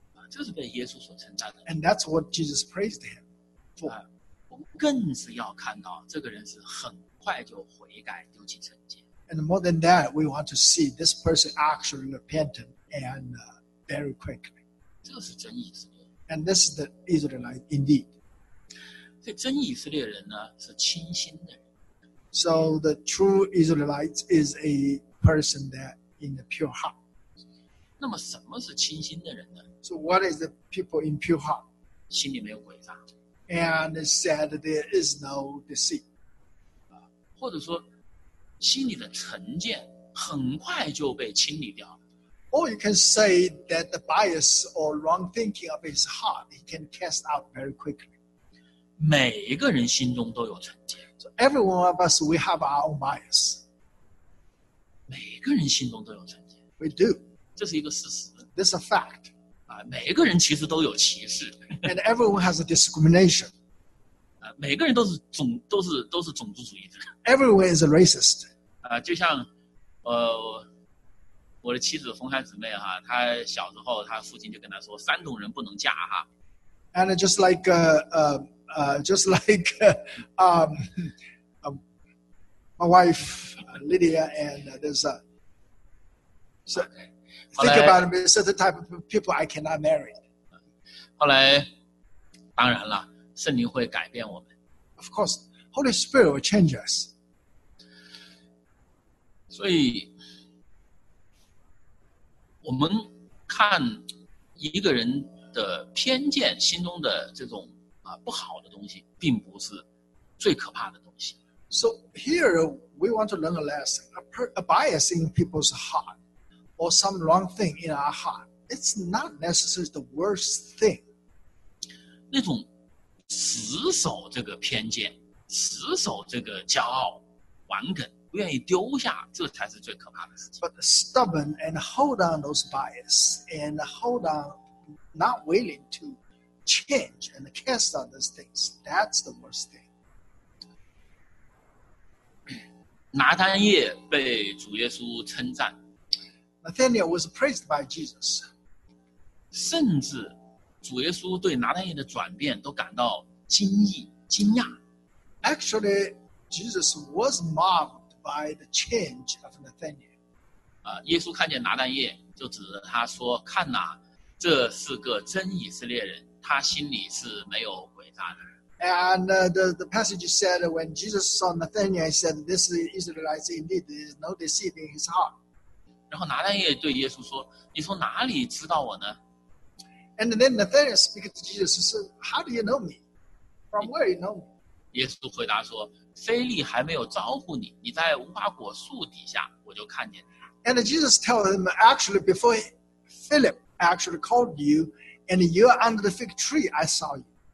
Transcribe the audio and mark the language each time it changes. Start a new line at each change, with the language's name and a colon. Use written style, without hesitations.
Chinese: 这是被耶稣所称赞的。
English: And that's what Jesus praised him for.
Chinese: 更是要看到这个人是很快就悔改丢弃圣洁。
English: And more than that, we want to see this person actually repentant and very quickly.
Chinese: 这是真以色列。
English: And this is the Israelite indeed.
Chinese: 所以真以色列人呢是清心的人。
English: So the true Israelite is a person that in the pure heart.
Chinese: 那么什么是清心的人呢
English: ？So what is the people in pure heart?
Chinese: 心里没有诡诈。
English: And said there is no deceit.
Chinese: 或者说心里的成见很快就被清理掉了。
English: Or you can say that the bias or wrong thinking of his heart, he can cast out very quickly.
Chinese: 每一个人心中都有成见。
English: So every one of us, we have our own bias.
Chinese: 每一个人心中都有成见。
English: We do.
Chinese: 这是一个事实。
English: This is a fact.
Chinese: 每一个人其实都有歧视。
English: And everyone has a discrimination.
Chinese: 每个人都是种族主义者。
English: Everyone is a racist.
Chinese: 就像我的妻子冯汉姊妹哈，她小时候她父亲就跟她说山东人不能嫁哈。
English: And just like my wife Lydia and there's a so think about me, certain type of people I cannot marry.
Chinese: 后来当然了，圣灵会改变我们。
English: Of course, Holy Spirit will change us.
Chinese: 所以我们看一个人的偏见，心中的这种不好的东西，并不是最可怕的东西。
English: So here we want to learn a lesson: a bias in people's heart or some wrong thing in our heart. It's not necessarily the worst thing.
Chinese: 那种死守这个偏见、死守这个骄傲、顽梗。不愿意丢下，这才是最可怕的事情。
English: But stubborn and hold on those bias and hold on, not willing to change and cast on those things. That's the worst thing.
Chinese: 拿单叶被主耶稣称赞。
English: Nathaniel was praised by Jesus.
Chinese: 甚至主耶稣对拿单叶的转变都感到惊异、惊讶。
English: Actually, Jesus was marveled. By the change of Nathaniel,
Chinese: 耶稣看见拿单叶，就指着他说：“看哪，这是个真以色列人，他心里是没有诡诈的。”
English: And the passage said when Jesus saw Nathaniel, he said, "This is Israelite indeed. There is no deceiving his heart."
Chinese: 然后拿单叶对耶稣说：“你从哪里知道我呢？”
English: And then Nathaniel speak to Jesus, "So how do you know me? From where you know me?"
Chinese: 耶稣回答说。非利还没有招呼你，你在无花果树底下我就看见你。
English: And Jesus tells him, actually, before Philip actually called you, and you're under the fig tree, I saw you.